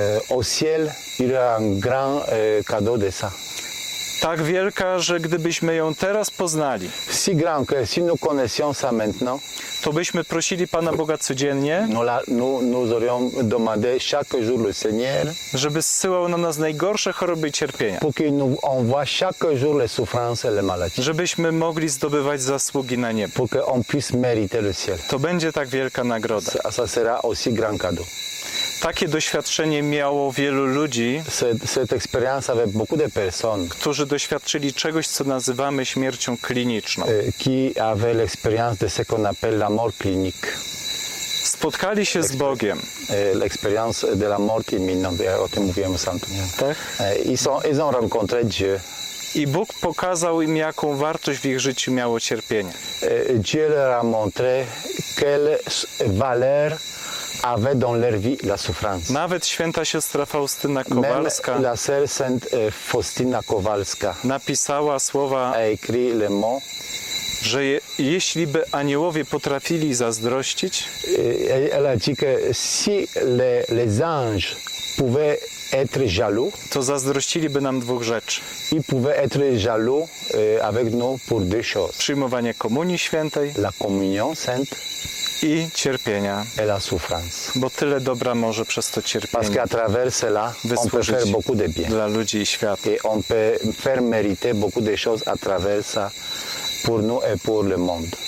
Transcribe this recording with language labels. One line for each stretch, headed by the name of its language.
French: Au ciel, il y a un grand cadeau de ça.
Polish: Tak wielka, że gdybyśmy ją teraz poznali.
French: Si grand que si nous connaissions ça maintenant.
Polish: To byśmy prosili Pana Boga codziennie,
French: nous aurions demandé chaque jour le Seigneur,
Polish: żeby zsyłał na nas najgorsze choroby i cierpienia,
French: pour qu'il nous envoie chaque jour les souffrances et les maladies,
Polish: żebyśmy mogli zdobywać zasługi na niebie,
French: pour qu'on puisse mériter le ciel.
Polish: To będzie tak wielka nagroda.
French: Ça sera aussi grand cadeau.
Polish: Takie doświadczenie miało wielu ludzi,
French: cette expérience avait beaucoup de personnes,
Polish: którzy doświadczyli czegoś, co nazywamy śmiercią kliniczną.
French: Qui avait l'expérience de ce qu'on appelle la mort clinique.
Polish: Spotkali się z Bogiem.
French: L'expérience de la mort imminente,
Polish: o tym mówiłem z Antoniem. Tak?
French: Ils ont rencontré Dieu.
Polish: I Bóg pokazał im, jaką wartość w ich życiu miało cierpienie.
French: Dieu leur a montré quelle valeur avaient dans leur vie la souffrance.
Polish: Nawet święta siostra Faustyna Kowalska.
French: Même la sœur sainte Faustyna Kowalska.
Polish: Napisała słowa.
French: A écrit le mot.
Polish: Że jeśliby aniołowie potrafili zazdrościć.
French: Elle a dit que si les anges pouvaient être jaloux,
Polish: to zazdrościliby nam dwóch rzeczy.
French: Ils pouvaient être jaloux avec nous pour deux choses.
Polish: Przyjmowanie komunii świętej.
French: La communion sainte.
Polish: I cierpienia.
French: Et la souffrance.
Polish: Bo tyle dobra może przez to cierpienie.
French: Parce qu'à travers cela, on peut faire beaucoup de bien.
Polish: Dla ludzi i świata.
French: Et on peut faire mériter beaucoup de choses à travers ça. Pour nous et pour le monde.